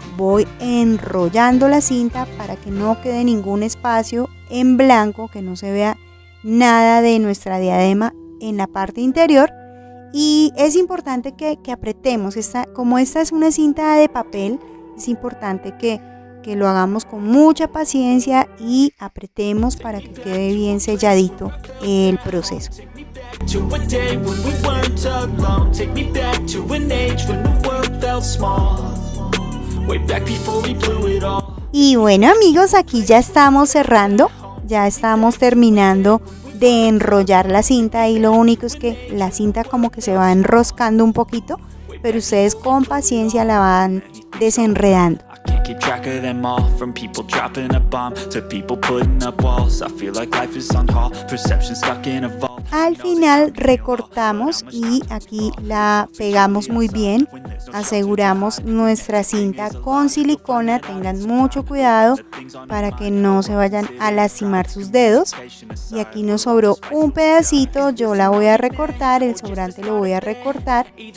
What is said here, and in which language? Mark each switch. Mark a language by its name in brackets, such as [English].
[Spanish] voy enrollando la cinta para que no quede ningún espacio en blanco, que no se vea nada de nuestra diadema en la parte interior. Y es importante que apretemos, como esta es una cinta de papel, es importante que lo hagamos con mucha paciencia y apretemos para que quede bien selladito el proceso. [English] To a day when we weren't alone. Take me back to an age when the world felt small. Way back before we blew it all. [Spanish] Y bueno, amigos, aquí ya estamos cerrando. Ya estamos terminando de enrollar la cinta y lo único es que la cinta como que se va enroscando un poquito, pero ustedes con paciencia la van desenredando. [English] Keep track of them all, from people dropping a bomb to people putting up walls. I feel like life is on hold, perception stuck in a vault. [Spanish] Al final recortamos y aquí la pegamos muy bien. Aseguramos nuestra cinta con silicona. Tengan mucho cuidado para que no se vayan a lastimar sus dedos. Y aquí nos sobró un pedacito. Yo la voy a recortar, el sobrante lo voy a recortar.